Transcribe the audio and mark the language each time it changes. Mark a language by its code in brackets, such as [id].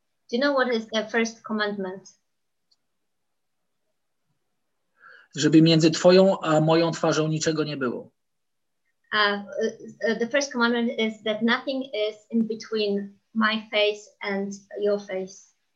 [en] Do you know what is the first commandment? [pl] Żeby między twoją a moją twarzą niczego nie było. [en] The first commandment is that nothing is in between my face and your face.